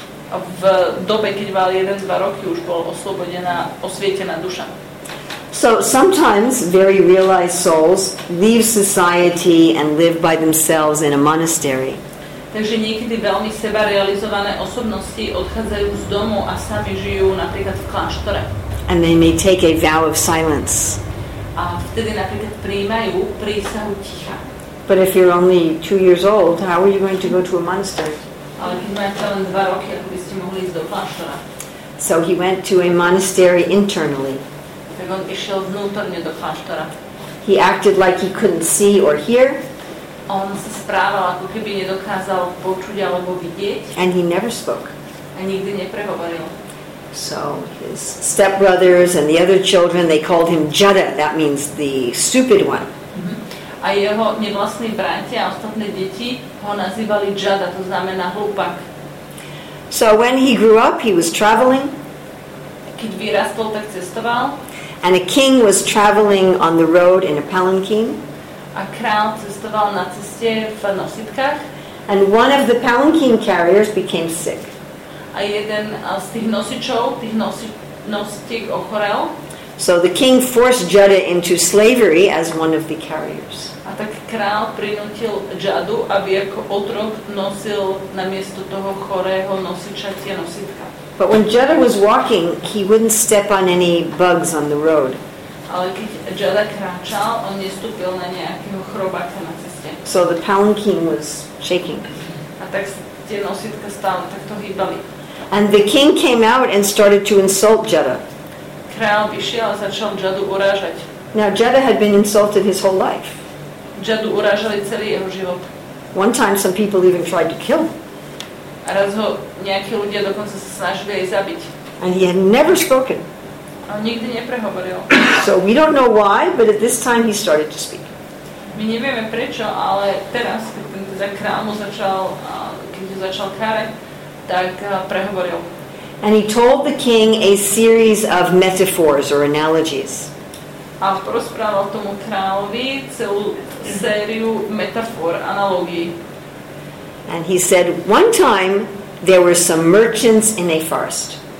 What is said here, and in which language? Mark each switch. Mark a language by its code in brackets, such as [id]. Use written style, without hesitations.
[sk] A v dobe, keď mal 1-2 roky, už bol oslobodená, osvietená duša. [en] So sometimes very realized souls leave society and live by themselves in a monastery. [sk] Takže niekedy veľmi sebarealizované osobnosti odchádzajú z domu a sami žijú napríklad v kláštore. [en] And they may take a vow of silence. [sk] A vtedy napríklad prijímajú prísahu ticha. [en] But if you're only 2 years old, how are you going to go to a monastery? [sk] Ale keď máte len 2 roky, ako by ste mohli ísť do kláštora? [en] So he went to a monastery internally. [sk] Tak on išiel vnútorne do kláštora. [en] He acted like he couldn't see or hear. [sk] On sa správal, ako keby nedokázal počuť alebo vidieť. [en] And he never spoke. [sk] A nikdy neprehovoril. [en] So his stepbrothers and the other children, they called him Jada, that means the stupid one. [sk] A jeho nevlastní bratia a ostatné deti ho nazývali Jada, to znamená hlupak. [en] So when he grew up, he was traveling. [sk] keď vyrastol, tak cestoval. [en] And a king was traveling on the road in a palanquin. [sk] A král cestoval na ceste v nositkách. [en] And one of the palanquin carriers became sick. [sk] A jeden z tých nosičov, tých nositiek ochorel. [en] So the king forced Jada into slavery as one of the carriers. [sk] A tak král prinútil Jadu, aby ako otrok nosil namiesto toho chorého nosiča tie nositka. [en] But when Jada was walking, he wouldn't step on any bugs on the road. [sk] Ale keď Jada kráčal, on nestúpil na nejakého chrobáka na ceste. [en] So the palanquin was shaking. [sk] A tak tie nositka stále takto hýbali. [en] And the king came out and started to insult Jada. [sk] Král vyšiel a začal Jadu urážať. [en] Now Jada had been insulted his whole life. [sk] Jadu urážali celý jeho život. [en] One time some people even tried to kill him. [sk] Raz ho nejakí ľudia dokonca sa snažili aj zabiť. [en] And he had never spoken. [sk] A nikdy neprehovoril. [en] So we don't know why, but at this time he started to speak. [sk] My nevieme prečo, ale teraz, keď ten teda král mu začal, keď ho začal kárať, tak prehovoril. [en] And he told the king a series of metaphors or analogies. [sk] A porozprával tomu královi celú sériu metafor, analogií. [en] And he said, one time there were some merchants in a forest.